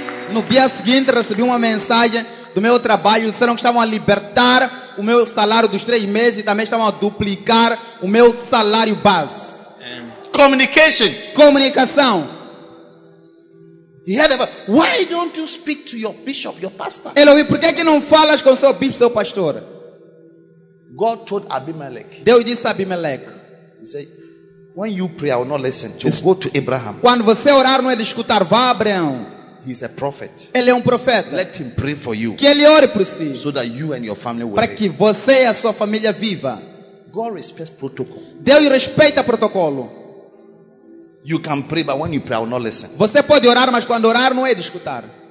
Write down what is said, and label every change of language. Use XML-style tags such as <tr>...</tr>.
<pt>No dia seguinte recebi uma mensagem do meu trabalho, disseram que estavam a libertar o meu salário dos 3 meses e também estavam a duplicar o meu salário base. Comunicação.</pt> <en>Yeah, why don't you speak to your bishop, your pastor?</en> <pt>Ele ouviu, por que que não falas com seu bispo, seu pastor?</pt> <en>God told Abimelech.</en> <pt>Deus disse a Abimelech.</pt> <en>He said, "When you pray, I will not listen. Just go to Abraham."</en> <pt>Quando você orar, não é de escutar, vá a Abraão.</pt> <en>He's a prophet.</en> <pt>Ele é profeta.</pt> <en>Let him pray for you.</en> <pt>Que ele ore por si.</pt> <en>So that you and your family will.</en> <pt>Para que você e a sua família viva.</pt> <en>God respects protocol.</en> <pt>Deus respeita protocolo.</pt> <en>You can pray, but when you pray, I will not listen.</en> <pt>Você pode orar, mas quando orar não é de escutar.</pt>